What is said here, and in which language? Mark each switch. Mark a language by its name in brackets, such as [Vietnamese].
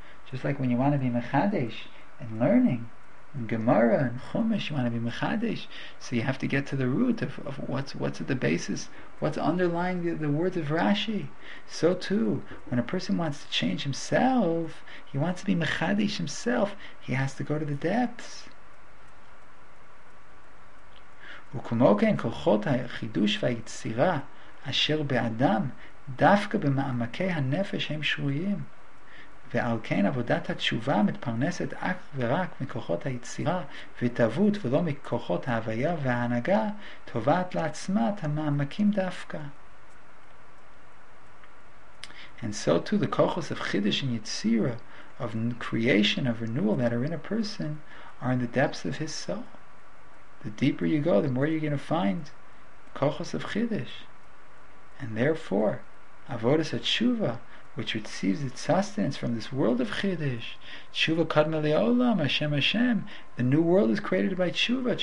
[English] Just like when you want to be mechadish and learning, and Gemara and Chumash, you want to be mechadish, so you have to get to the root of what's at the basis, what's underlying the words of Rashi. So too, when a person wants to change himself, he wants to be mechadish himself, he has to go to the depths. [Hebrew] וכמו כן כוחות החידוש והיצירה אשר באדם דווקא במעמקי הנפש הם שרויים, ועל כן עבודת התשובה מתפרנסת אך ורק מכוחות היצירה ותוות ולא מכוחות ההוויה וההנהגה, תובעת לעצמה את המעמקים דווקא. [English] And so too the kochos of chidush and yitzira, of creation, of renewal that are in a person, are in the depths of his soul. The deeper you go, the more you're going to find kochos of chiddush. And therefore, avodas tshuva, which receives its sustenance from this world of chiddush, tshuva kadma le'olam, Hashem Hashem, the new world is created by tshuva.